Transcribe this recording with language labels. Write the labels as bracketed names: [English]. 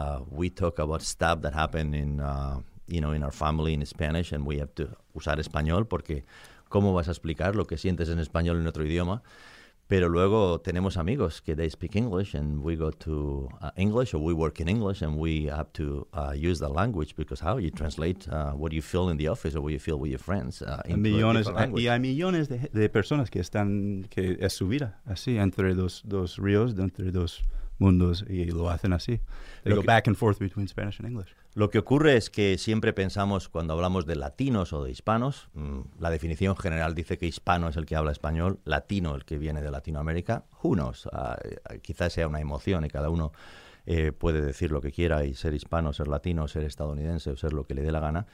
[English] We talk about stuff that happened in our family in Spanish, and we have to [Spanish] usar español porque ¿cómo vas a explicar lo que sientes en español en otro idioma? Pero luego tenemos amigos que [English] they speak English and we go to English or we work in English and we have to use the language because how you translate what you feel in the office or what you feel with your friends. [Spanish] Millones de personas que están, que es su vida así entre dos ríos, entre dos mundos y lo hacen así. [English] They go back and forth between Spanish and English. [Spanish] Lo que ocurre es que siempre pensamos cuando hablamos de latinos o de hispanos, la definición general dice que hispano es el que habla español, latino el que viene de Latinoamérica, [English] who knows, [Spanish] quizás sea una emoción y cada uno puede decir lo que quiera y ser hispano, ser latino, ser estadounidense o ser lo que le dé la gana.